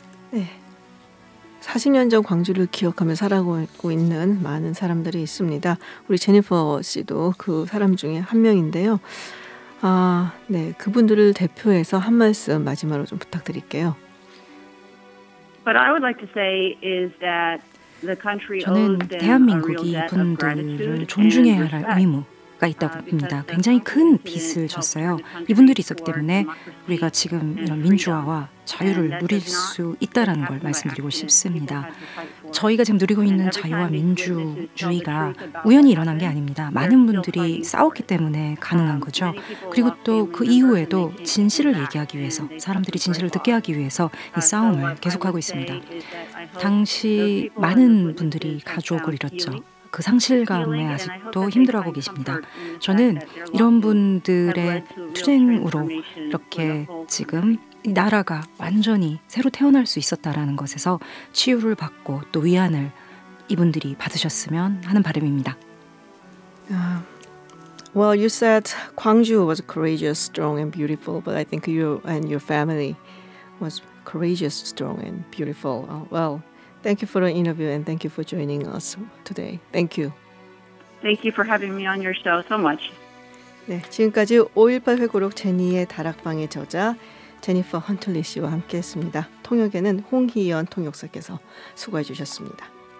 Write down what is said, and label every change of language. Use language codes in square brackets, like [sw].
[ko] 네, 40년 전 광주를 기억하며 살아가고 있는 많은 사람들이 있습니다. 우리 제니퍼 씨도 그 사람 중에 한 명인데요. 아, 네, 그분들을 대표해서 한 말씀 마지막으로 좀 부탁드릴게요. [en] But I would like to say is that [ko] 저는 대한민국이 이분들을 존중해야 할 의무가 있다고 봅니다. 굉장히 큰 빚을 졌어요. 이분들이 있었기 때문에 우리가 지금 이런 민주화와 자유를 누릴 수 있다라는 걸 말씀드리고 싶습니다. 저희가 지금 누리고 있는 자유와 민주주의가 우연히 일어난 게 아닙니다. 많은 분들이 싸웠기 때문에 가능한 거죠. 그리고 또 그 이후에도 진실을 얘기하기 위해서 사람들이 진실을 듣게 하기 위해서 이 싸움을 계속하고 있습니다. 당시 많은 분들이 가족을 잃었죠. 그 상실감에 아직도 힘들어하고 계십니다. 저는 이런 분들의 투쟁으로 이렇게 지금 나라가 완전히 새로 태어날 수 있었다라는 것에서 치유를 받고 또 위안을 이분들이 받으셨으면 하는 바람입니다. [en] Well, you said Gwangju was courageous, strong, and beautiful, but I think you and your family was courageous, strong, and beautiful. Well, thank you for the interview and thank you for joining us today. Thank you. Thank you for having me on your show so much. [ko] 네, 지금까지 5.18 회고록 제니의 다락방의 저자 제니퍼 헌틀리 씨와 함께했습니다. 통역에는 홍희연 통역사께서 수고해 주셨습니다.